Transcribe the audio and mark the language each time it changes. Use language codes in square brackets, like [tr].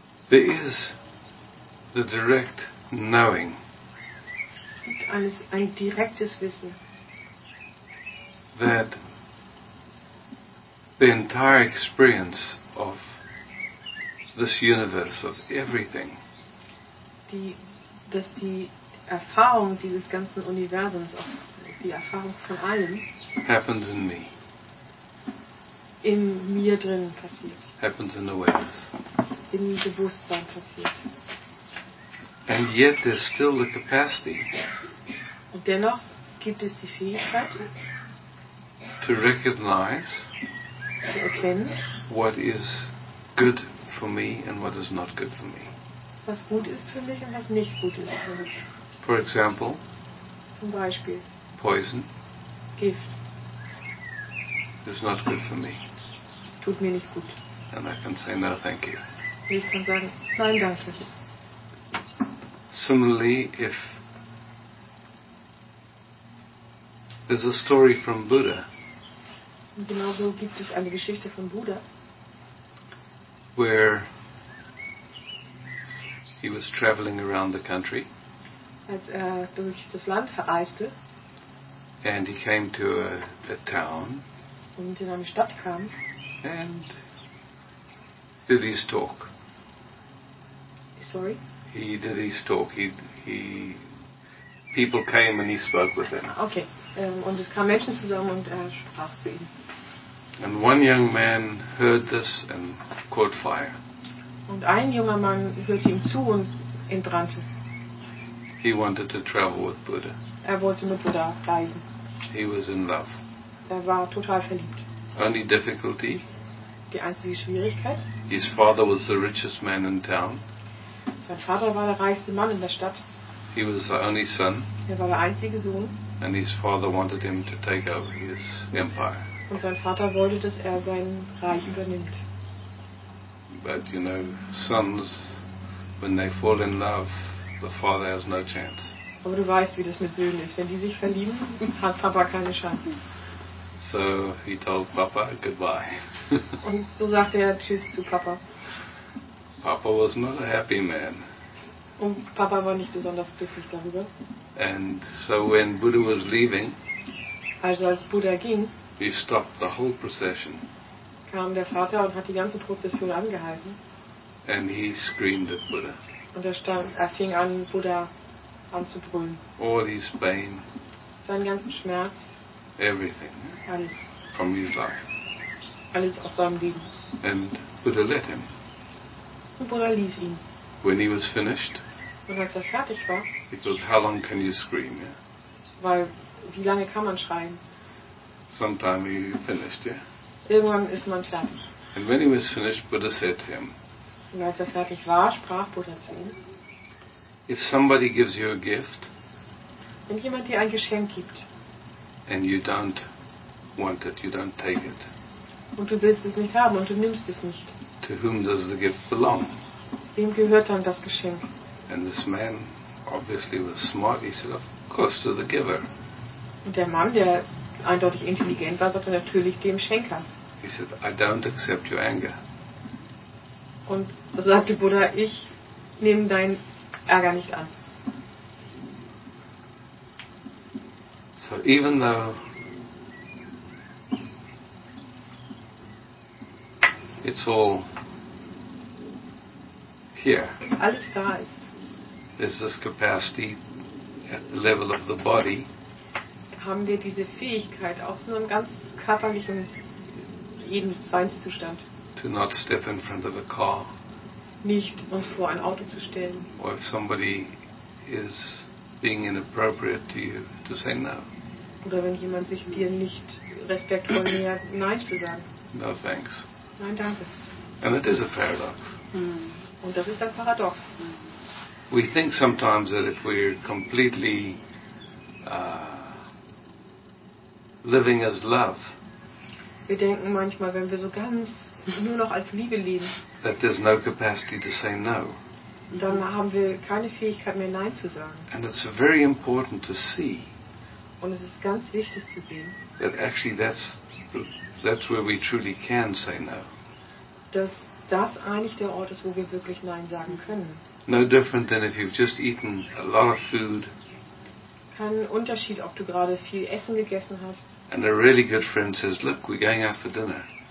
[en] There is the direct knowing. [de] Ein direktes Wissen. [en] That the entire experience of this universe, of everything, [de] dass die Erfahrung dieses ganzen Universums, auch die Erfahrung von allem, [en] happens in me. [de] In mir drin passiert. [en] Happens in awareness. [de] In Bewusstsein passiert. [en] And yet there's still the capacity. [de] Und dennoch gibt es die Fähigkeit, [en] to recognize, [de] zu erkennen, [en] what is good for me and what is not good for me. [de] Was gut ist für mich und was nicht gut ist für mich. [en] For example, [de] zum Beispiel, [en] poison, [de] Gift, [en] is not good for me. [de] Tut mir nicht gut. [en] And I can say no, thank you. [de] Und ich kann sagen, nein, danke. [en] Similarly, if there's a story from Buddha. [de] Genauso gibt es eine Geschichte von Buddha, [en] where he was traveling around the country. [de] Als er durch das Land reiste. [en] And he came to a town. [de] Und in eine Stadt kam. [en] And did his talk. Sorry. He did his talk. He people came and he spoke with them. Okay. [de] Und es kamen Menschen zusammen und er sprach zu ihnen. [en] And one young man heard this and caught fire. [de] Und ein junger Mann hörte ihm zu und entbrannte. [en] He wanted to travel with Buddha. [de] Er wollte mit Buddha reisen. [en] He was in love. [de] Er war total verliebt. [en] Only difficulty. [de] Die einzige Schwierigkeit. [en] His father was the richest man in town. [de] Sein Vater war der reichste Mann in der Stadt. [en] He was the only son. [de] Er war der einzige Sohn. [en] And his father wanted him to take over his empire. [de] Und sein Vater wollte, dass er sein Reich übernimmt. [en] But you know, sons, when they fall in love, the father has no chance. [de] Aber du weißt, wie das mit Söhnen ist. Wenn die sich verlieben, hat Papa keine Chance. [en] So he told Papa goodbye. [de] Und so sagte er Tschüss zu Papa. [en] Papa was not a happy man. [de] Und Papa war nicht besonders glücklich darüber. [en] And so when Buddha was leaving, [de] also als Buddha ging, [en] he stopped the whole procession. [de] Kam der Vater und hat die ganze Prozession angehalten. [en] And he screamed at Buddha. [de] Und er fing an, Buddha anzubrüllen. [en] All his pain. [de] Seinen ganzen Schmerz. [en] Everything. [de] Alles. [en] From his life. [de] Alles aus seinem Leben. [en] And Buddha let him. [de] Und Buddha ließ ihn. [en] When he was finished. [de] Und als er fertig war. [en] Because how long can you scream? Yeah. [de] Weil wie lange kann man schreien? [en] Sometime he finished. Yeah. [de] Irgendwann ist man fertig. [en] And when he was finished, Buddha said to him. [de] Und als er fertig war, sprach Buddha zu ihm. [en] If somebody gives you a gift. [de] Wenn jemand dir ein Geschenk gibt. [en] And you don't want it, you don't take it. [de] Und du willst es nicht haben und du nimmst es nicht. [en] To whom does the gift belong? [de] Wem gehört dann das Geschenk? [en] And this man obviously was smart. He said, of course, to the giver. [de] Und der Mann, der eindeutig intelligent war, sagte natürlich dem Schenker. [en] He said, I don't accept your anger. [de] Und so sagte Buddha, ich nehme deinen Ärger nicht an. [en] So even though it's all here. [de] Alles da ist. [en] There's this capacity at the level of the body. [de] Haben wir diese Fähigkeit auch nur im ganz körperlichen Lebensseinszustand. [en] To not step in front of a car. [de] Nicht uns vor ein Auto zu stellen. [en] Or if somebody is being inappropriate to you, to say no. [de] Oder wenn jemand sich dir nicht respektvoll nähert, nein zu sagen. [en] No thanks. [de] Nein, danke. [en] And it is a paradox. Hmm. [de] Und das ist ein Paradox. [en] We think sometimes that if we're completely living as love. [de] Wir denken manchmal, wenn wir so ganz nur noch als Liebe leben. [en] That there's no capacity to say no. [de] Dann haben wir keine Fähigkeit mehr, nein zu sagen. [en] And it's very important to see. [de] Und es ist ganz wichtig zu sehen. [en] That actually that's where we truly can say no. [de] Dass das eigentlich der Ort ist, wo wir wirklich nein sagen können. [en] No different than if you've just eaten a lot of food. [de] Kein Unterschied, ob du gerade viel Essen gegessen hast. [en] And a really good friend says, look, we're going out for dinner.